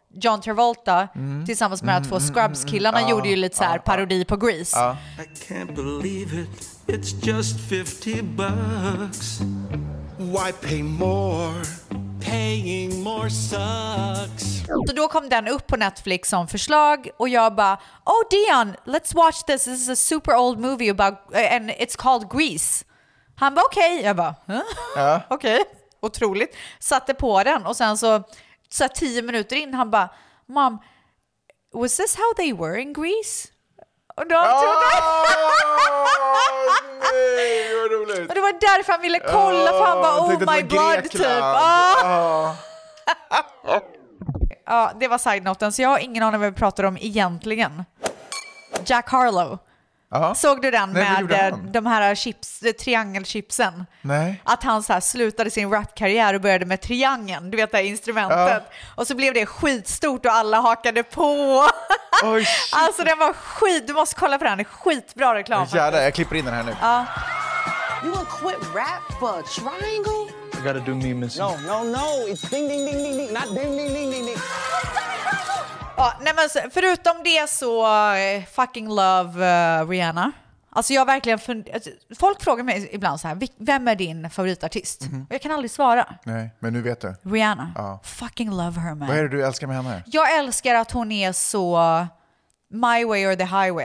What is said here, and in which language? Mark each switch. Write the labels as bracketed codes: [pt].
[sv] John Travolta tillsammans med två Scrubs killarna gjorde ju lite så här parodi på Grease. [en] Ja. I can't believe it. It's just 50 bucks. Why pay more? Paying more sucks. [sv] Så då kom den upp på Netflix som förslag och jag bara, [en] oh Dion, let's watch this. This is a super old movie about and it's called Grease. [sv] Han bara, okej. Okay. Jag bara, okej. Okay. Otroligt. Satte på den och sen så 10 minuter in han bara, [en] mom, was this how they were in Grease? [sv] Och då trodde nej, vad roligt. Och det var därför han ville kolla för han bara, oh my god, typ. Ja, det var side-noten. Så jag har ingen aning vad vi pratar om egentligen. Jack Harlow. Såg du den med de här chips, triangelchipsen? Nej. Att han så här slutade sin rapkarriär och började med triangeln, du vet det instrumentet. Och så blev det skitstort och alla hakade på. [en] Oh, shit. [sv] Alltså den var skit, du måste kolla på den. Skitbra reklam. Jävlar, jag klipper in den här nu. [en] You want quit rap for a triangle? I gotta do me missing. No, it's ding ding ding ding ding, not ding ding ding ding ding. [sv] Ja, nej men förutom det så [en] fucking love [sv] Rihanna. Alltså jag verkligen folk frågar mig ibland så här, vem är din favoritartist? Mm-hmm. Och jag kan aldrig svara. Nej, men nu vet du. [en] Rihanna. Ja. Fucking love her, man. [sv] Vad är det du älskar med henne? Jag älskar att hon är så [en] my way or the highway.